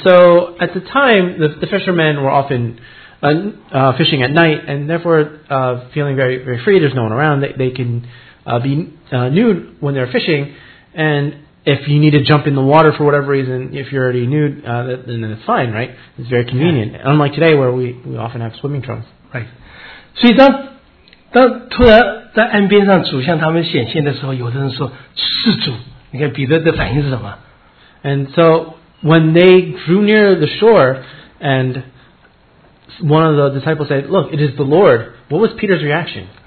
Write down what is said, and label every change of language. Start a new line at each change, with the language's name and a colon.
English: so at the time, the fishermen were often fishing at night, and therefore feeling very very free. There's no one around. They can be nude when they're fishing, and if you need to jump in the water for whatever reason, if you're already nude, then it's fine, right? It's very convenient. Yeah. Unlike today, where we often have swimming trunks. Right.
Chinese: 所以当突然在岸边上主向他们显现的时候，有的人说是主。你看彼得的反应是什么？
English: And so when they drew near the shore, and one of the disciples said, "Look, it is the Lord." What was Peter's reaction?